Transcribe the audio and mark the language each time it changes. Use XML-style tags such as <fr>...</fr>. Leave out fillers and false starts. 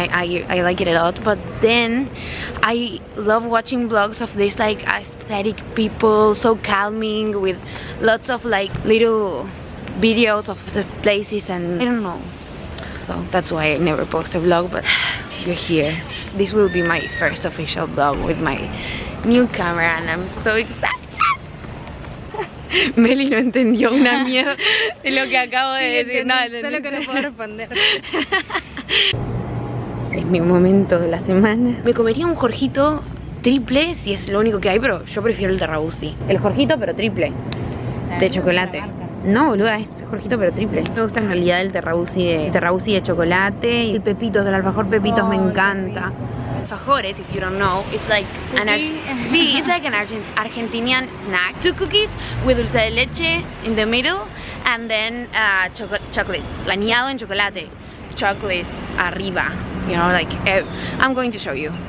<en>I like it a lot. But then I love watching vlogs of this like aesthetic people, so calming, with lots of like little videos of the places, and I don't know. So that's why I never post a vlog, but you're here. This will be my first official vlog with my new camera and I'm so excited.</en> <es>Meli no entendió una mierda de lo que acabo de decir. No, solo que no puedo responder. Es mi momento de la semana. Me comería un jorjito triple si es lo único que hay, pero yo prefiero el de Rabusi. El jorjito, pero triple. De chocolate. No, boluda, es jorjito pero triple. Me gusta en realidad el terrabuzzi de chocolate. Y el pepito, el alfajor pepitos, oh, me encanta.</es> <en>Alfajores, if you don't know, it's like an Argentinian snack. Two cookies with dulce de leche in the middle. And then chocolate,</en> <es>laneado en chocolate. Chocolate arriba,</es> <en>you know, like, I'm going to show you.</en>